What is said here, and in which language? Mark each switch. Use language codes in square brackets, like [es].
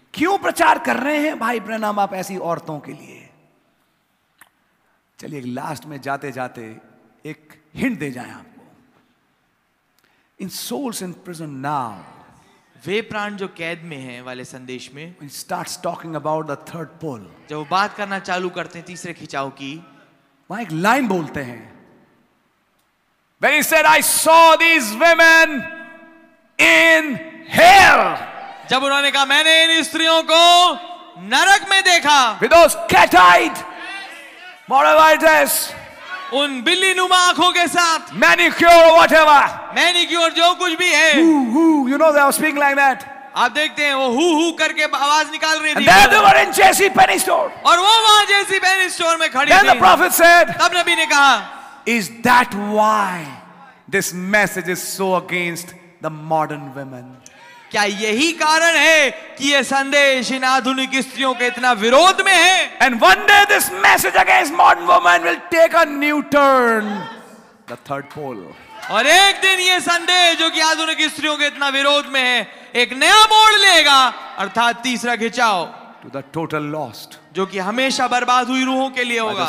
[hi] क्यों प्रचार कर रहे हैं भाई ब्रैनम आप ऐसी औरतों के लिए. चलिए लास्ट में जाते जाते एक हिंट दे जाए आपको. [en] In souls in prison now. [hi] वे प्राण जो कैद में हैं वाले संदेश में. [en] When starts talking about the third pull. [hi] जब वो बात करना चालू करते हैं तीसरे खिंचाव की. वहां एक लाइन बोलते हैं. [en] When he said, I saw these women in hell. [hi] जब उन्होंने कहा मैंने इन स्त्रियों को नरक में देखा. [en] With those cat eyed moralitis. [hi] उन बिल्ली नुमा आंखों के साथ. [en] Manicure whatever. [hi] Manicure जो कुछ भी है. [en] You know they were speaking like that. [hi] आप देखते हैं वो हू करके आवाज निकाल रही थी. [en] And they were in Jesse Penny store. [hi] और वो वहां जेसी पेनी स्टोर में खड़ी थी. [en] Then the prophet said. [hi] तब नबी ने कहा. [en] Is that why this message is so against the modern women? [hi] क्या यही कारण है कि यह संदेश इन आधुनिक स्त्रियों के इतना विरोध में है? [en] And one day this message against modern women will take a new turn. The third pole. [hi] और एक दिन यह संदेश जो कि आधुनिक स्त्रियों के इतना विरोध में है एक नया मोड़ लेगा अर्थात तीसरा खिंचाव. [en] To the total lost. [hi] जो कि हमेशा बर्बाद हुई रूहों के लिए होगा.